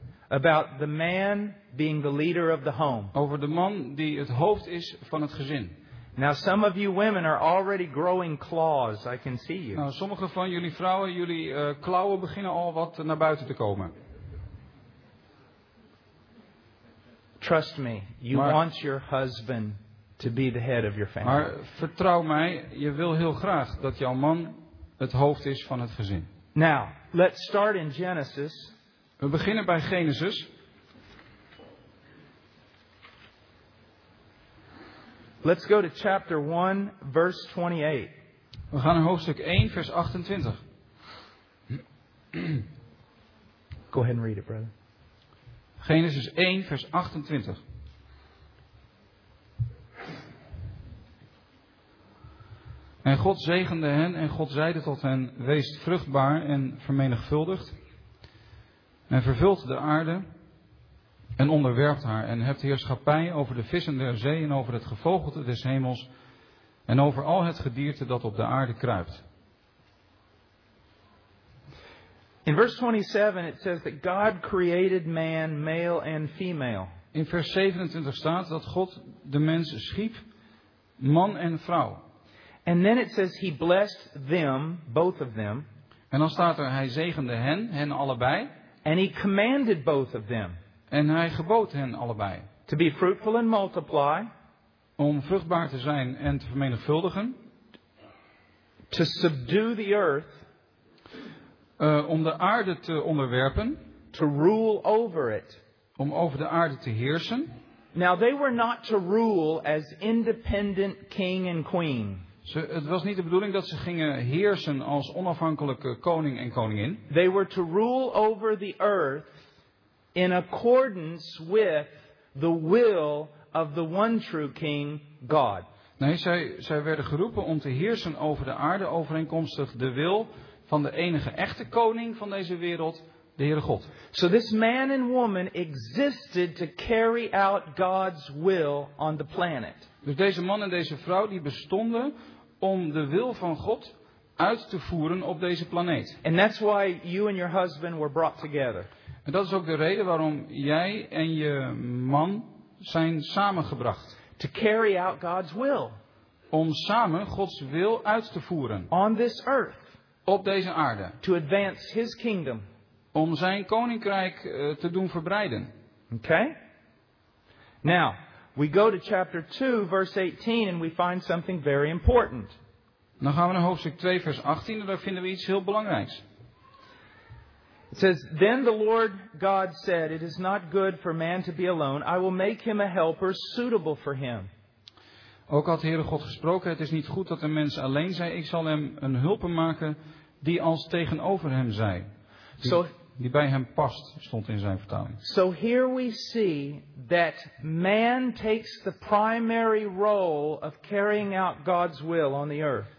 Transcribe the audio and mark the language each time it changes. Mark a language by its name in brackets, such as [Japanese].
[English] About the man being the leader of the home. [Dutch] Over de man die het hoofd is van het gezin. [English] Now some of you women are already growing claws. I can see you. [Dutch] Nou, sommige van jullie vrouwen, jullie klauwen beginnen al wat naar buiten te komen. [English] Trust me, want your husband to be the head of your family. [Dutch] Maar vertrouw mij, je wil heel graag dat jouw man het hoofd is van het gezin. [English] Now, let's start in Genesis. [Dutch] We beginnen bij Genesis. [English] Let's go to chapter 1, verse 28. [Dutch] We gaan naar hoofdstuk 1, vers 28. [English] Go ahead and read it, brother. [Dutch] Genesis 1, vers 28. En God zegende hen en God zeide tot hen, wees vruchtbaar en vermenigvuldigt en vervult de aarde en onderwerpt haar en hebt heerschappij over de vissen der zee en over het gevogelte des hemels en over al het gedierte dat op de aarde kruipt. [English] In vers 27 it says that God created man male and female. [Dutch] In vers 27 staat dat God de mens schiep, man en vrouw. [English] And then it says he blessed them, both of them. [Dutch] En dan staat er, hij zegende hen allebei. [English] And he commanded both of them. [Dutch] En hij gebood hen allebei. [English] To be fruitful and multiply. [Dutch] Om vruchtbaar te zijn en te vermenigvuldigen. [English] To subdue the earth. [Dutch] Om de aarde te onderwerpen. [English] To rule over it. [Dutch] Om over de aarde te heersen. [English] Now they were not to rule as independent king and queen. [Dutch] Het was niet de bedoeling dat ze gingen heersen als onafhankelijke koning en koningin. [English] They were to rule over the earth in accordance with the will of the one true king, God. [Dutch] Nee, zij werden geroepen om te heersen over de aarde overeenkomstig de wil van de enige echte koning van deze wereld, de Heere God. [English] So this man and woman existed to carry out God's will on the planet. [Dutch] Dus deze man en deze vrouw die bestonden om de wil van God uit te voeren op deze planeet. [English] And that's why you and your husband were brought together. [Dutch] En dat is ook de reden waarom jij en je man zijn samengebracht. [English] To carry out God's will. [Dutch] Om samen Gods wil uit te voeren. [English] On this earth. [Dutch] Op deze aarde. [English] To advance his kingdom. [Dutch] Om zijn koninkrijk te doen verbreiden. [English] Okay. Now, we go to chapter 2, verse 18, and we find something very important. [Dutch] Dan gaan we naar hoofdstuk 2, vers 18, en daar vinden we iets heel belangrijks. [English] It says, then the Lord God said, it is not good for man to be alone. I will make him a helper suitable for him. [Dutch] Ook had de Heere God gesproken, het is niet goed dat een mens alleen zij. Ik zal hem een hulper maken die als tegenover hem zij. Die bij hem past, stond in zijn vertaling. [English] So here we see that man takes the primary role of carrying out God's will on the earth.